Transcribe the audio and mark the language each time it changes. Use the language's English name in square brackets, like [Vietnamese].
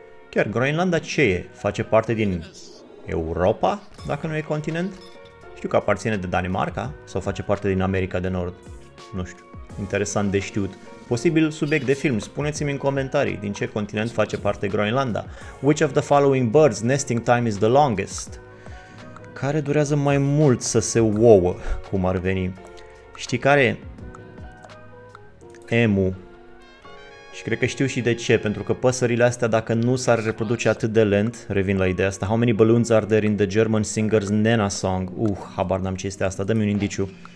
[Romanian] Chiar Groenlanda ce e? Face parte din Europa, dacă nu e continent? Știu că aparține de Danemarca sau face parte din America de Nord. Nu știu. Interesant de știut. Posibil subiect de film. Spuneți-mi în comentarii din ce continent face parte Groenlanda. [English] Which of the following birds nesting time is the longest? [Romanian] Care durează mai mult să se ouă, cum ar veni? Știi care? Emu. Și cred că știu și de ce, pentru că păsările astea, dacă nu s-ar reproduce atât de lent, revin la ideea asta. [English] How many balloons are there in the German singer's Nena song? [Romanian] Habar n-am ce este asta, dă-mi un indiciu.